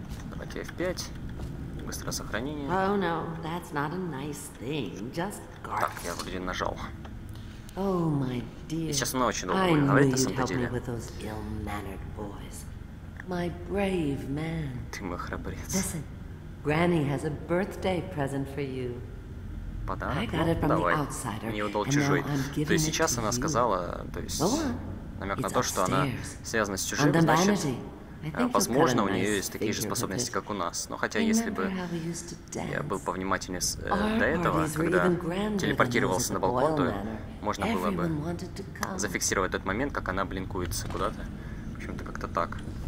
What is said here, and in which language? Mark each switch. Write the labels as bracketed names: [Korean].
[Russian] Давайте F5. Быстрое сохранение. [English] Oh, no, that's not a nice thing. Just garbage. [Russian] Так, я вроде нажал. [English] Oh, my dear. [Russian] И сейчас она очень долго будет говорить, на самом деле. [English] With those ill-mannered boys. My brave man. [Russian] Ты мой храбрец. [English] Listen, Granny has a birthday present for you. [Russian] Подарок? Ну, давай. Мне удал чужой. То есть сейчас она сказала, то есть, намек на то, что она связана с чужим, значит, возможно, у нее есть такие же способности, как у нас. Но хотя, если бы я был повнимательнее до этого, когда телепортировался на балкон, то можно было бы зафиксировать этот момент, как она блинкуется куда-то. В общем-то, как-то так.